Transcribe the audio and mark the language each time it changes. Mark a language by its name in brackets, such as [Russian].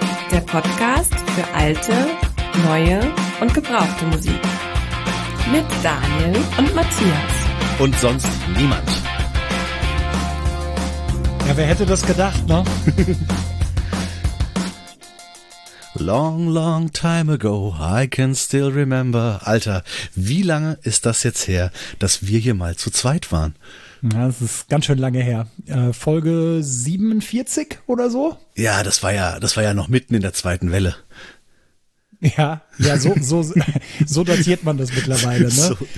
[German] Der Podcast für alte, neue und gebrauchte Musik. Mit Daniel und Matthias. Und sonst niemand. Ja, wer hätte das gedacht, ne? [English] Long, long time ago, I can still remember. [German] Alter, wie lange ist das jetzt her, dass wir hier mal zu zweit waren? Ja, das ist ganz schön lange her. Folge 47 oder so? Ja, das war ja noch mitten in der zweiten Welle. Ja, so datiert man das mittlerweile, ne?